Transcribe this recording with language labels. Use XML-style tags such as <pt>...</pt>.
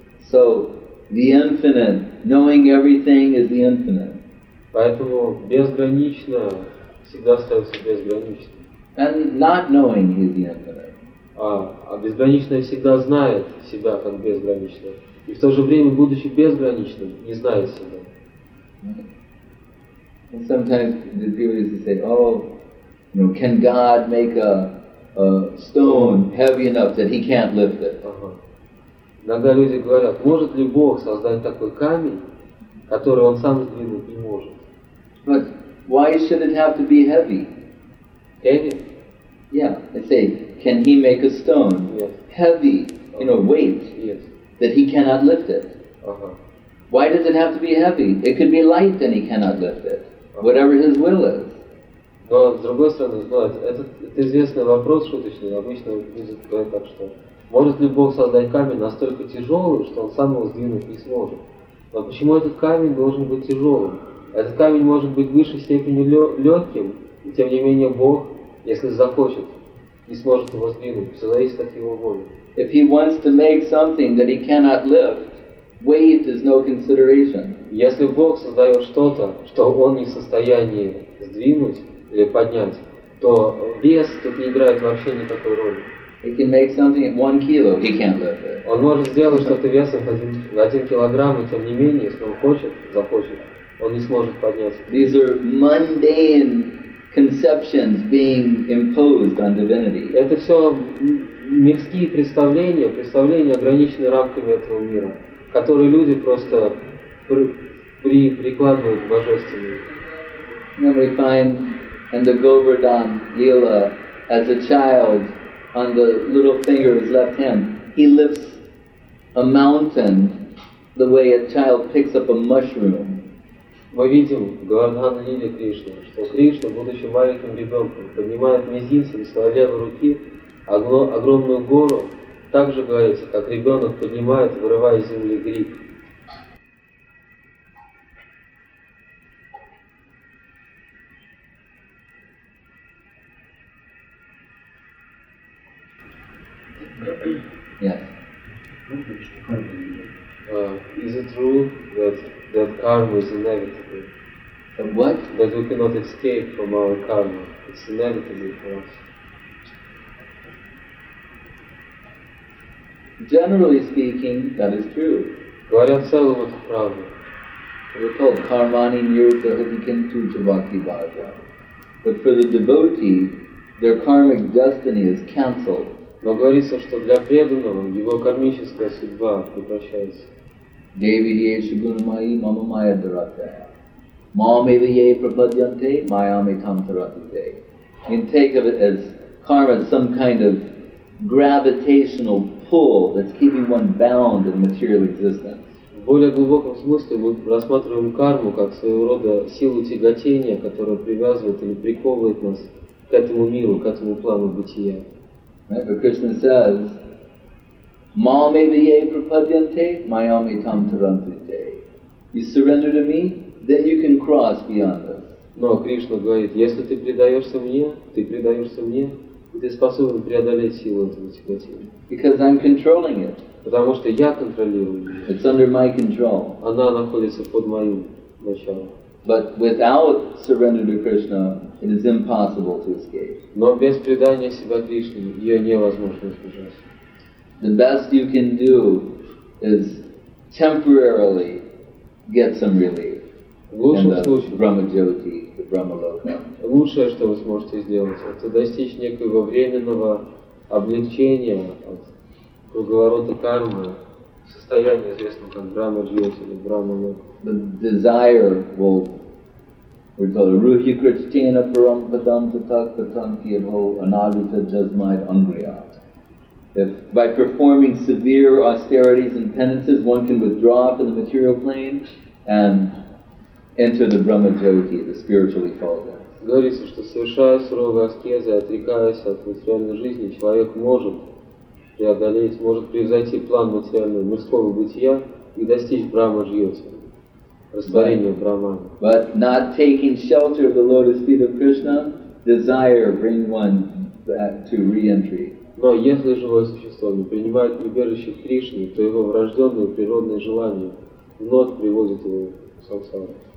<en>So the infinite, knowing everything is the infinite.</en> <ru>Поэтому безгранично всегда остается безграничным.</ru> <en>And not knowing is the infinite.</en> <ru>А безграничное всегда знает себя как безграничное. И в то же время, будучи безграничным, не знает себя.</ru> <en>And sometimes the theory is to say, can God make a stone heavy enough that he can't lift it?</en> <ru>Иногда люди говорят, может ли Бог создать такой камень, который он сам сдвинуть не может?</ru> <en>But why should it have to be heavy? Heavy? Yeah. They say, can he make a stone heavy, weight, that he cannot lift it? Why does it have to be heavy? It could be light and he cannot lift it. Whatever his will is.</en> <ru>Но с другой стороны, это известный вопрос шуточный. Обычно люди говорят так, что может ли Бог создать камень настолько тяжелым, что он сам его сдвинуть не сможет? Но почему этот камень должен быть тяжелым? Этот камень может быть в высшей степени легким, и тем не менее Бог, если захочет, не сможет его сдвинуть. Все зависит от его воли.</ru> <en>If he wants to make something that he cannot lift, weight is no consideration.</en> <ru>Если Бог создает что-то, что он не в состоянии сдвинуть или поднять, то вес тут не играет вообще никакой роли.</ru> <en>He can make something at 1 kilo, he can't lift it.</en> <ru>Он может сделать что-то весом в 1 килограмм, и тем не менее, если он хочет, захочет, он не сможет подняться.</ru> <en>These are mundane conceptions being imposed on divinity.</en> <ru>Это все мирские представления, ограниченные рамками этого мира, которые люди просто прикладывают к божественному.</ru> <en>Then we find in the Govardhan Lila, as a child, on the little finger of his left hand, he lifts a mountain the way a child picks up a mushroom.</en> <ru>Мы видим в Говардхана Лиле Кришна, что Кришна, будучи маленьким ребенком, поднимает мизинцем с левой руки огромную гору, так же говорится, как ребенок поднимает, вырывая из земли гриб.</ru> <en>Is it true that karma is inevitable? And what? That we cannot escape from our karma. It's inevitable for us. Generally speaking, that is true.</en> <ru>Говорят в целом это правда.</ru> <en>We're told</en> <sa>karmani nirutahitikintu jivati bhaja.</sa> <en>But for the devotee, their karmic destiny is cancelled.</en> <ru>Но говорится, что для преданного его кармическая судьба прекращается.</ru> <sa>Devi Yeshu Guna Mai Mama Maya Dharataya. Mamiviye prabhadyante, mayami tamtaratite.</sa> <en>You can think of it as karma, some kind of gravitational pull that's keeping one bound in material existence.</en> <ru>В более глубоком смысле мы рассматриваем карму как своего рода силу тяготения, которая привязывает или приковывает нас к этому миру, к этому плану бытия.</ru> <en>Right, Krishna says,</en> <sa>Mamiviye prabhadyante, mayami tamtaratite.</sa> <en>You surrender to me, then you can cross beyond us.</en> <ru>Но Кришна говорит, если ты предаешься мне, ты предаешься мне, и ты способен преодолеть силу этого тяготения.</ru> <en>Because I'm controlling it.</en> <ru>Потому что я контролирую ее.</ru> <en>It's under my control.</en> <ru>Она находится под моим началом.</ru> <en>But without surrender to Krishna, it is impossible to escape.</en> <ru>Но без предания себя Кришне ее невозможно избежать.</ru> <en>The best you can do is temporarily get some relief.</en> <ru>Лучшее, что вы сможете сделать, это достичь некоего временного облегчения от круговорота кармы, состояния, известного как брама-джьоти или брама-лока.</ru> <en>The desire will, we're told,</en> <sa>Ruhi Krishtena Parampadam Tatak Patanti Abho Anadita Jasmaid Angriyat.</sa> <en>If by performing severe austerities and penances, one can withdraw from the material plane and enter the Brahma Jyoti, the spiritual effulgence.</en> <ru>Говорится, что совершая суровые аскезы, отрекаясь от материальной жизни, человек может преодолеть, может превзойти план материального мирского бытия и достичь Брахма Джьоти, растворения Брахмана.</ru> <en>But not taking shelter of the lotus feet of Krishna, desire bring one back to re-entry.</en> <ru>Но если живое существо не принимает прибежище Кришны, то его врожденные природные желания вновь приводят его в сансару.</ru>